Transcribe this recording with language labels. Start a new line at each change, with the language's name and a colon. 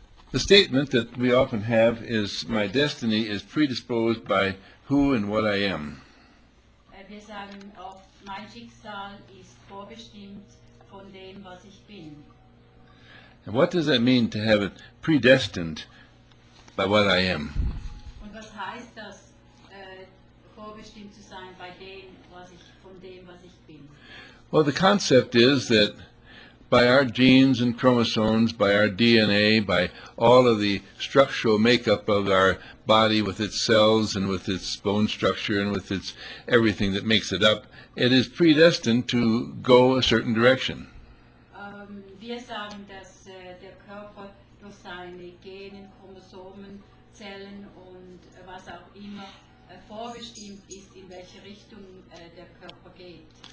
English: the statement that we often have is, my destiny is predisposed by who and what I am.
German: Wir sagen oft, mein Schicksal ist vorbestimmt von dem, was ich bin.
English: And what does that mean, to have it predestined by what I am?
German: Und was heißt das, vorbestimmt zu sein bei dem, was ich, von dem, was ich bin?
English: Well, the concept is that by our genes and chromosomes, by our DNA, by all of the structural makeup of our body with its cells and with its bone structure and with its everything that makes it up, it is predestined to go a certain direction.
German: Wir sagen, dass der Körper durch seine Gene, Chromosomen, Zellen und was auch immer vorbestimmt ist, in welche Richtung der Körper geht.